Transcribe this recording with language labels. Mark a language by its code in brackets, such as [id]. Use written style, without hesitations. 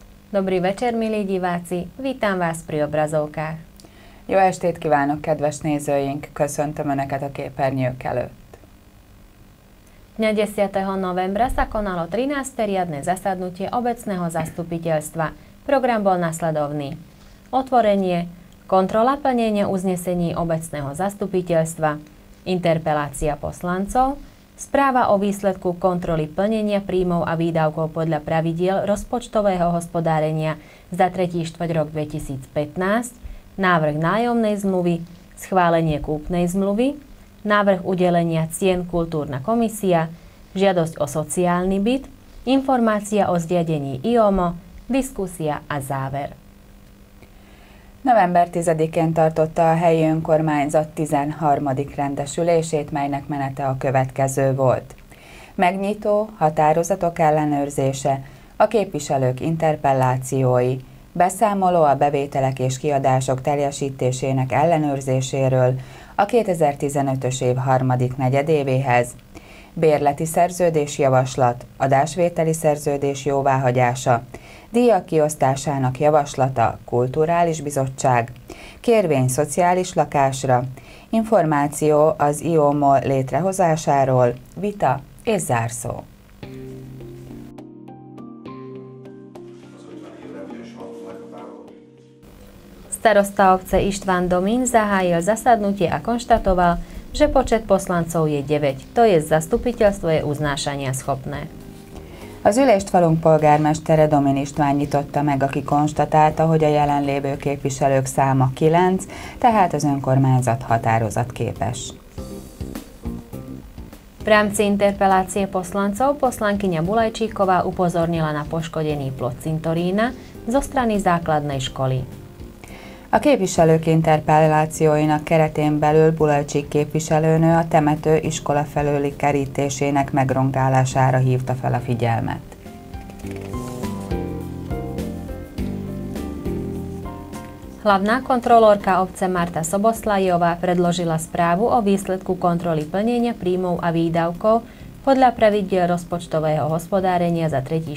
[sk] Dobrý večer, milí diváci! Vítam vás pri obrazovkách! [hu] Jó estét kívánok, kedves nézőink! Köszöntöm Önöket a képernyők előtt! [sk] Dňa 10. novembra sa konalo 13. riadne zasadnutie obecného zastupiteľstva. Program bol nasledovný. Otvorenie, kontrola plnenia uznesení obecného zastupiteľstva, interpelácia poslancov, správa o výsledku kontroly plnenia príjmov a výdavkov podľa pravidiel rozpočtového hospodárenia za 3. štvrť rok 2015, návrh nájomnej zmluvy, schválenie kúpnej zmluvy, návrh udelenia cien kultúrna komisia, žiadosť o sociálny byt, informácia o zriadení IOMO, diskusia a záver. [hu] November 10-én tartotta a helyi önkormányzat 13. rendesülését, melynek menete a következő volt. Megnyitó, határozatok ellenőrzése, a képviselők interpellációi, beszámoló a bevételek és kiadások teljesítésének ellenőrzéséről a 2015-ös év harmadik negyedévéhez, bérleti szerződésjavaslat, adásvételi szerződés jóváhagyása, díjak kiosztásának javaslata, kulturális bizottság, kérvény szociális lakásra, információ az IOMO létrehozásáról, vita és zárszó. [sk] Starosta obce István Domín zahájil zasadnutie a konštatoval, že počet poslancov je 9, to je zastupiteľstvo je uznášania schopné. [hu] Az ülést falunk polgármestere Domin István nyitotta meg, aki konstatálta, hogy a jelenlévő képviselők száma 9, tehát az önkormányzat határozat képes. [sk] V rámci interpelácie poslancov poslankyňa Bulajčíková upozornila na poškodený plot cintorína zo strany základnej školy. [hu] A képviselők interpellációinak keretén belül Bulajcsik képviselőnő a temető iskola felőli kerítésének megrongálására hívta fel a figyelmet. [sk] Hlavná kontrolórka obce Marta Szoboszlajová predložila správu o výsledku kontroly plnenia príjmov a výdavkov podľa pravidiel rozpočtového hospodárenia za 3.